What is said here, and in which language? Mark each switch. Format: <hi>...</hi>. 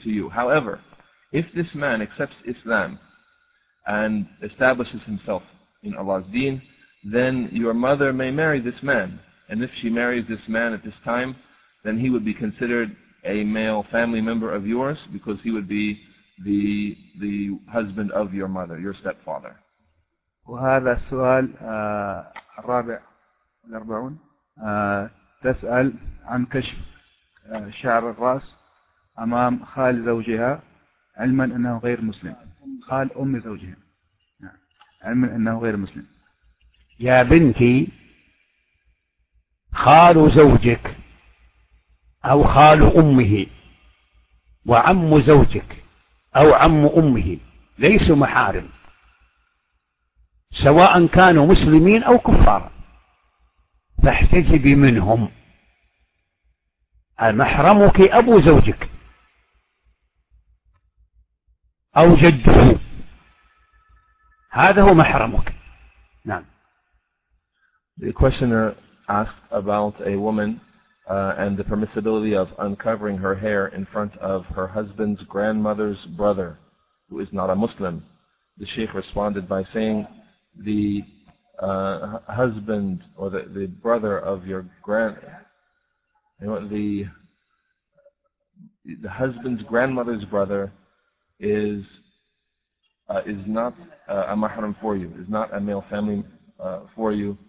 <en>However, if this man accepts Islam and establishes himself in Allah's deen, then your mother may marry this man. And if she marries this man at this time, then he would be considered a male family member of yours, because he would be the husband of your mother, your stepfather.</en> <ar>وهذا السؤال الرابع والأربعون تسأل عن كشف شعر الرأس أمام خال زوجها علما أنه غير مسلم، خال أم زوجها علما أنه غير مسلم. يا بنتي، خال زوجك أو خال أمه وعم زوجك أو عم أمه ليسوا محارم، سواء كانوا مسلمين أو كفار، فاحتجبي منهم. محرمك أبو زوجك أو جده، هذا هو محرمك. نعم.</ar> <en>The questioner asked about a woman and the permissibility of uncovering her hair in front of her husband's grandmother's brother, who is not a Muslim. The Sheikh responded by saying, the husband or the brother of your grand, you know, the husband's grandmother's brother is not a mahram for you, is not a male family for you.</en>